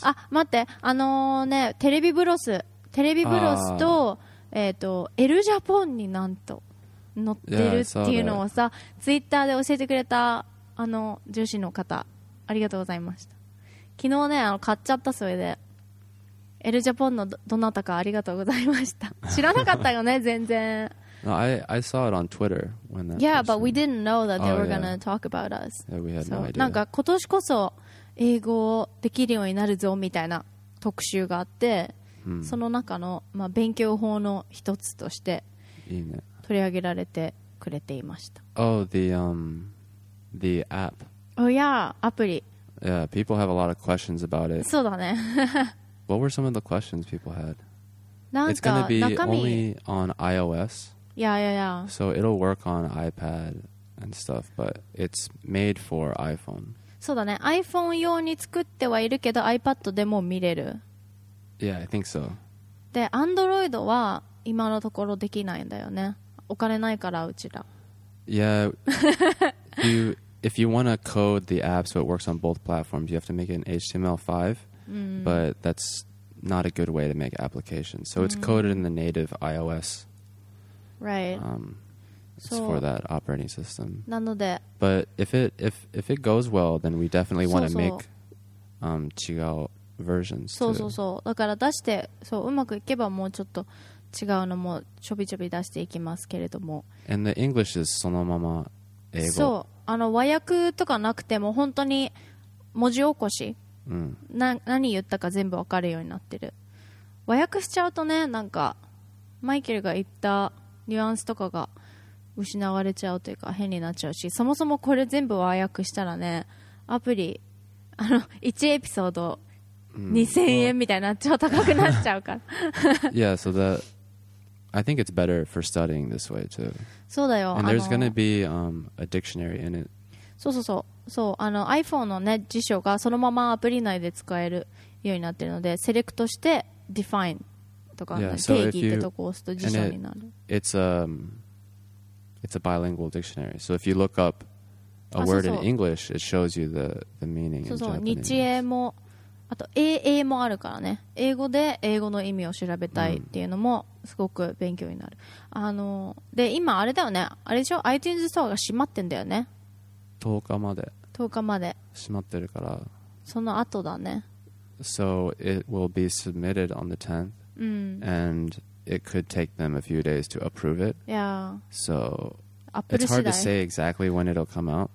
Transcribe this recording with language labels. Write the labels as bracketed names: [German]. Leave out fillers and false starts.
[Japanese] ああ待ってねテレビブロスと、エルジャポンになんと乗ってるっていうのをさ、ツイッターで教えてくれたあの女子の方、ありがとうございました。昨日ね、買っちゃったそれで、エルジャポンのどなたかありがとうございました。知らなかったよね、全然。 [English] No, I saw it on Twitter when that. Yeah, person... but we didn't know that they were gonna talk about us. Yeah, we had no idea. [Japanese] なんか今年こそ英語をできるようになるぞみたいな特集があって、 hmm. その中のまあ勉強法の一つとして。いいね。取り上げられてくれていました。 [English] Oh, the app. Oh yeah, アプリ。 Yeah, people have a lot of questions about it. [Japanese] そうだね。 [English] What were some of the questions people had? [Japanese] なんか [English] It's gonna be only on iOS. Yeah, yeah, yeah. So it'll work on iPad and stuff, but it's made for iPhone. [Japanese] そうだね。iPhone 用に作ってはいるけど、iPad でも見れる。 [English] Yeah, I think so. [Japanese] で、Android は今のところできないんだよね。お金ないからうちら。 [English] Yeah. if you want to code the app so it works on both platforms, you have to make it in HTML5.、 Mm-hmm. But that's not a good way to make applications. So it's coded in the native iOS. Right. It's so, for that operating system. [Japanese] なので。 [English] But if it goes well, then we definitely want to make 違う versions. [Japanese] そうそうそう。だから出して、そううまくいけばもうちょっと。違うのもちょびちょび出していきますけれども [English] And the English is [Japanese] そのまま英語そうあの和訳とかなくても本当に文字起こし、うん、何言ったか全部分かるようになってる和訳しちゃうとねなんかマイケルが言ったニュアンスとかが失われちゃうというか変になっちゃうしそもそもこれ全部和訳したらねアプリあの1エピソード2000円みたいな超高くなっちゃうから [English] Yeah, so I think it's better for studying this way too [Japanese] そうだよ [English] And there's gonna be a dictionary in it [Japanese] そうそうそうそうあの iPhone のね辞書がそのままアプリ内で使えるようになってるのでセレクトして define とか、ね [English] yeah, so、 [Japanese] 定義ってとこを押すと辞書になる [English] it's a bilingual dictionary so if you look up a word in English it shows you the meaning [Japanese] そうそう [English] in Japanese [Japanese] 日英もあと AA もあるからね英語で英語の意味を調べたいっていうのもすごく勉強になる、うん、で今あれだよねあれでしょ iTunes ストアが閉まってんだよね 10日まで 10日まで閉まってるからその後だね [English] So it will be submitted on the 10th. Mm. And it could take them a few days to approve it. Yeah. So it's hard to say exactly when it'll come out.